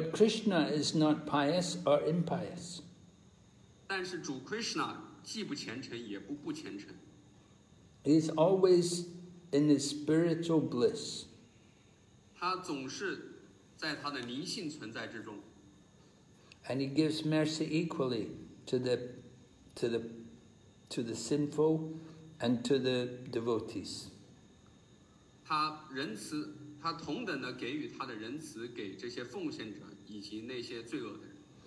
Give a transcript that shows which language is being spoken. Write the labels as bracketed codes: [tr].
[en] But Krishna is not pious or impious. [zh] 但是主 Krishna 既不虔诚也不虔诚。 [en] He is always in his spiritual bliss. [zh] 他总是在他的灵性存在之中。 [en] And he gives mercy equally to the sinful and to the devotees. [zh] 他仁慈，他同等的给予他的仁慈给这些奉献者以及那些罪恶的人。